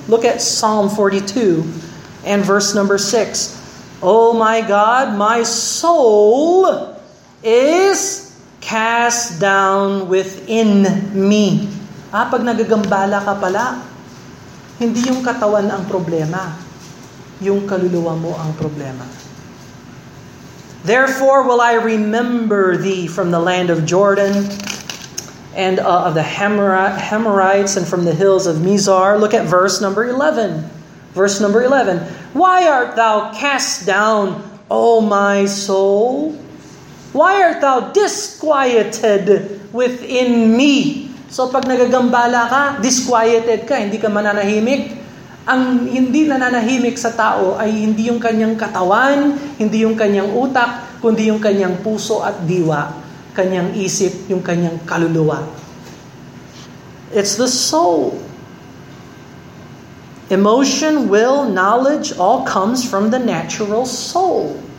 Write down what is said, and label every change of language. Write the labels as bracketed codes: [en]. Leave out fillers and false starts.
[en] Look at Psalm 42 and verse number 6. Oh my God, my soul is cast down within me. [tl] Ah, pag nagagambala ka pala, hindi yung katawan ang problema, yung kaluluwa mo ang problema. [en] Therefore will I remember thee from the land of Jordan and of the Hamorites and from the hills of Mizar. Look at verse number 11. Verse number 11. Why art thou cast down, O my soul? Why art thou disquieted within me? [tl] So pag nagagambala ka, disquieted ka, hindi ka mananahimik. Ang hindi nananahimik sa tao ay hindi yung kanyang katawan, hindi yung kanyang utak, kundi yung kanyang puso at diwa, kanyang isip, yung kanyang kaluluwa. [en] It's the soul. Emotion, will, knowledge, all comes from the natural soul.